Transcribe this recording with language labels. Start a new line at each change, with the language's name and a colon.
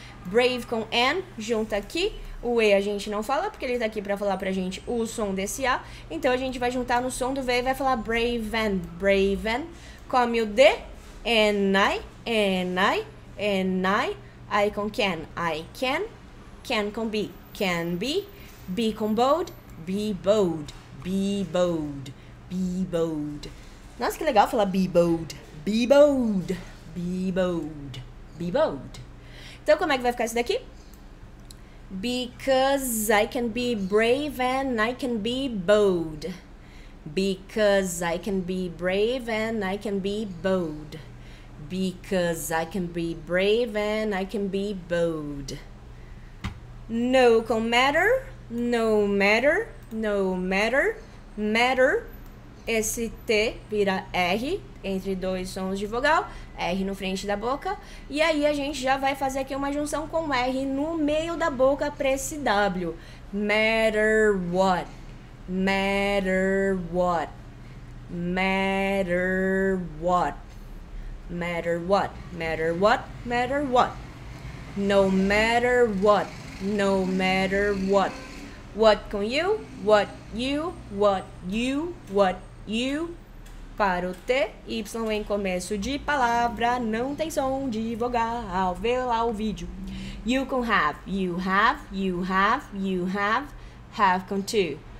Portuguese: brave com an, junta aqui, o e a gente não fala porque ele tá aqui pra falar pra gente o som desse a, então a gente vai juntar no som do v e vai falar brave and, brave and, come o d, and I, and I, and I com can, I can com be, can be com bold,
English: be bold, be bold, be bold.
Portuguese: Nossa, que legal falar
English: be bold, be bold, be bold,
Portuguese: be bold. Então, como é que vai ficar isso daqui?
English: Because I can be brave and I can be bold. Because I can be brave and I can be bold. Because I can be brave and I can be bold. No
Portuguese: com
English: matter, no matter, no matter, matter.
Portuguese: Esse T vira R entre dois sons de vogal, R no frente da boca. E aí a gente já vai fazer aqui uma junção com R no meio da boca para esse W.
English: Matter what, matter what, matter what. Matter what, matter what, matter what. No matter what, no matter what. What
Portuguese: com
English: you, what you, what you, what you.
Portuguese: Para o T, Y em começo de palavra, não tem som de vogal. Vê lá o vídeo.
English: You can have, you have, you have, you have
Portuguese: com
English: to.